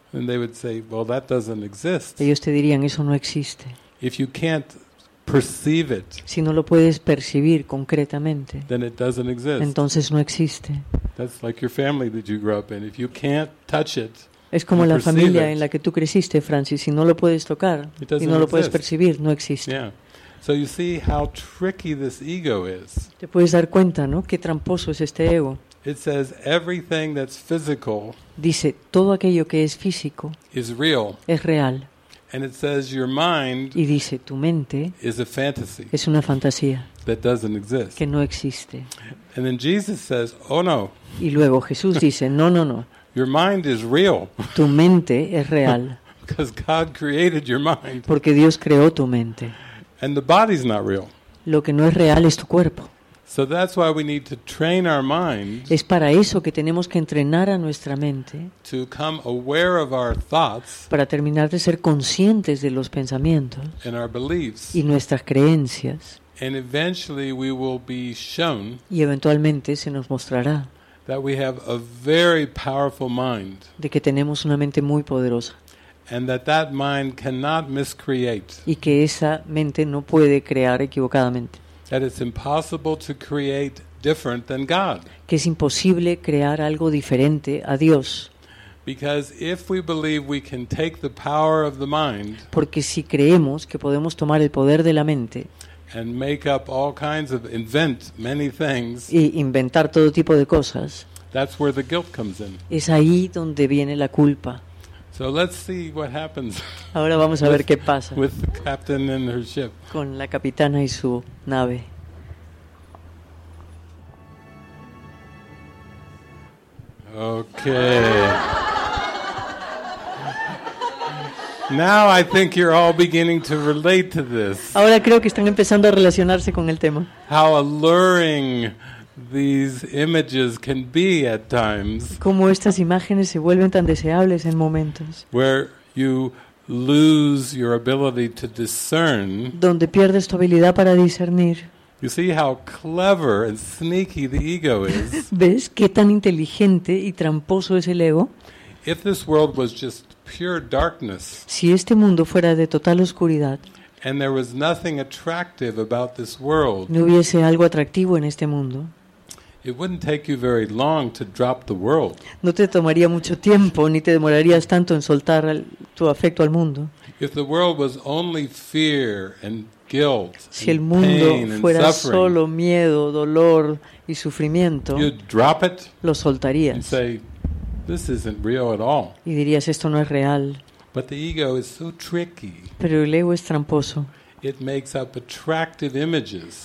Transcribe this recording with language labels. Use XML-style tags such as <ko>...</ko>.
<en>And they would say, well, that doesn't exist.</en> <es>Ellos te dirían, eso no existe.</es> <en>If you can't perceive it,</en> <es>si no lo puedes percibir concretamente,</es> <en>then it doesn't exist.</en> <es>Entonces no existe.</es> <en>That's like your family that you grew up in. If you can't touch it,</en> <es>es como la familia</es> <en>it,</en> <es>en la que tú creciste, Francis. Si no lo puedes tocar y no lo puedes percibir, no existe.</es> <en>Yeah. So you see how tricky this ego is.</en> <es>Te puedes dar cuenta, ¿no? Qué tramposo es este ego.</es> <en>It says everything that's physical.</en> <es>Dice todo aquello que es físico.</es> <en>Is real.</en> <es>Es real.</es> <en>And it says your mind.</en> <es>Y dice tu mente.</es> <en>Is a fantasy.</en> <es>Es una fantasía.</es> <en>That doesn't exist.</en> <es>Que no existe.</es> <en>And then Jesus says, "Oh no."</en> <es>Y luego Jesús dice, "No, no, no."</es> <en>Your mind is real.</en> <es>Tu mente es real.</es> <en>Because God created your mind.</en> <es>Porque Dios creó tu mente.</es> <en>And the body's not real.</en> <es>Lo que no es real es tu cuerpo.</es> <en>So that's why we need to train our mind.</en> <es>Es para eso que tenemos que entrenar a nuestra mente.</es> <en>To come aware of our thoughts.</en> <es>Para terminar de ser conscientes de los pensamientos.</es> <en>And our beliefs.</en> <es>Y nuestras creencias.</es> <en>And eventually we will be shown.</en> <es>Y eventualmente se nos mostrará.</es> <en>That we have a very powerful mind.</en> <es>De que tenemos una mente muy poderosa.</es> <en>And that mind cannot miscreate.</en> <es>Y que esa mente no puede crear equivocadamente.</es> <en>That it's impossible to create different than God.</en> <es>Que es imposible crear algo diferente a Dios.</es> <en>Because if we believe we can take the power of the mind.</en> <es>Porque si creemos que podemos tomar el poder de la mente.</es> <en>And make up all kinds of invent many things.</en> <es>Y inventar todo tipo de cosas.</es> <en>That's where the guilt comes in.</en> <es>Es ahí donde viene la culpa.</es> <en>So let's see what happens.</en> <es>Ahora vamos a ver qué pasa.</es> <en>With the captain and her ship.</en> <es>Con la capitana y su nave.</es> <en>Okay. Now I think you're all beginning to relate to this.</en> <es>Ahora creo que están empezando a relacionarse con el tema.</es> <en>How alluring these images can be at times.</en> <es>Como estas imágenes se vuelven tan deseables en momentos.</es> <en>Where you lose your ability to discern.</en> <es>Donde pierdes tu habilidad para discernir.</es> <en>You see how clever and sneaky the ego is.</en> <es>¿Ves qué tan inteligente y tramposo es el ego?</es> <en>If this world was just pure darkness.</en> <es>Si este mundo fuera de total oscuridad.</es> <en>And there was nothing attractive about this world.</en> <es>No hubiese algo atractivo en este mundo.</es> <en>It wouldn't take you very long to drop the world.</en> <es>No te tomaría mucho tiempo ni te demorarías tanto en soltar tu afecto al mundo.</es> <en>If the world was only fear and guilt,</en> <es>si el mundo fuera solo miedo, dolor y sufrimiento,</es> <en>you'd drop it,</en> <es>lo soltarías.</es> <en>And say, this isn't real at all.</en> <es>Y dirías, esto no es real.</es> <en>But the ego is so tricky.</en> <es>Pero el ego es tramposo.</es> <en>It makes up attractive images.</en>